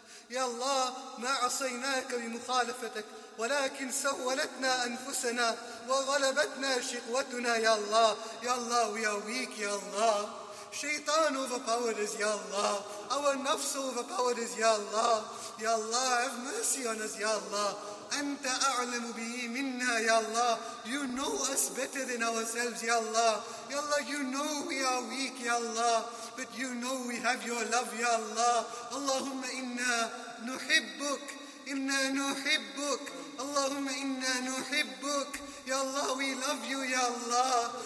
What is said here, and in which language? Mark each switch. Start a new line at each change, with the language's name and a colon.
Arabic: Ya Allah, ما عصيناك بمخالفتك ولكن سولتنا أنفسنا وغلبتنا شقوتنا يا الله.
English: Ya Allah, we are weak, ya Allah. Shaitan overpowered us, ya Allah. Our nafs overpowered us, ya Allah. Ya Allah, have mercy on us, ya Allah.
Arabic: أنت أعلم به منا, ya Allah.
English: You know us better than ourselves, ya Allah. Ya Allah, you know we are weak, ya Allah. But you know we have your love, ya Allah.
Arabic: Allahumma inna nuhibbuk, Allahumma inna nuhibbuk.
English: Ya Allah, we love you, ya Allah.